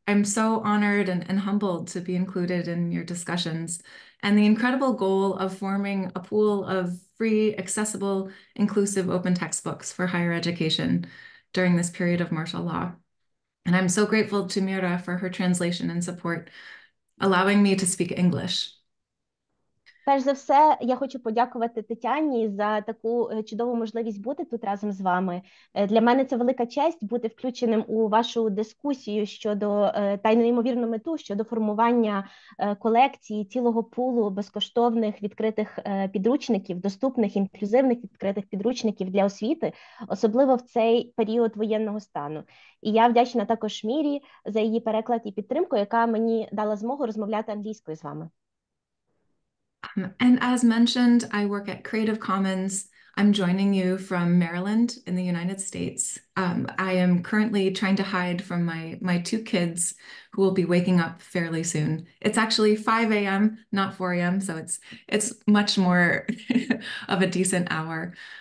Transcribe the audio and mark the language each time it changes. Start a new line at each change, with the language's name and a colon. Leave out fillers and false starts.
English: I'm so honored and humbled to be included in your discussions and the incredible goal of forming a pool of free, accessible, inclusive open textbooks for higher education during this period of martial law. And I'm so grateful to Mira for her translation and support, allowing me to speak English.
Ukrainian: Перш за все, я хочу подякувати Тетяні за таку чудову можливість бути тут разом з вами. Для мене це велика честь бути включеним у вашу дискусію щодо та й неймовірну мету щодо формування колекції цілого пулу безкоштовних відкритих підручників, доступних інклюзивних відкритих підручників для освіти, особливо в цей період воєнного стану. І я вдячна також Мірі за її переклад і підтримку, яка мені дала змогу розмовляти англійською з вами.
English: And as mentioned, I work at Creative Commons. I'm joining you from Maryland in the United States. I am currently trying to hide from my two kids who will be waking up fairly soon. It's actually 5 a.m., not 4 a.m., so it's much more of a decent hour.